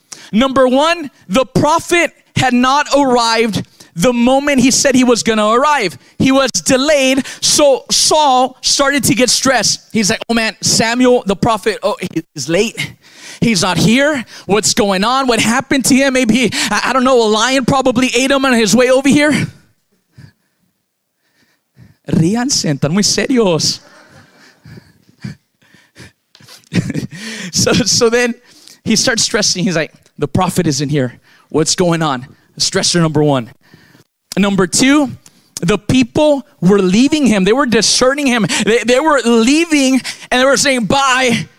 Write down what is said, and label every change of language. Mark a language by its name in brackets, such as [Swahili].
[English] Number one, the prophet had not arrived the moment he said he was going to arrive. He was delayed, so Saul started to get stressed. He's like, oh man, Samuel, the prophet, oh, he's late. He's not here. What's going on? What happened to him? Maybe, I don't know, a lion probably ate him on his way over here. [Spanish] Ríanse, están muy serios. [English] So then he starts stressing. He's like, the prophet isn't here. What's going on? Stressor number one. Number two, the people were leaving him. They were deserting him. They were leaving and they were saying, bye.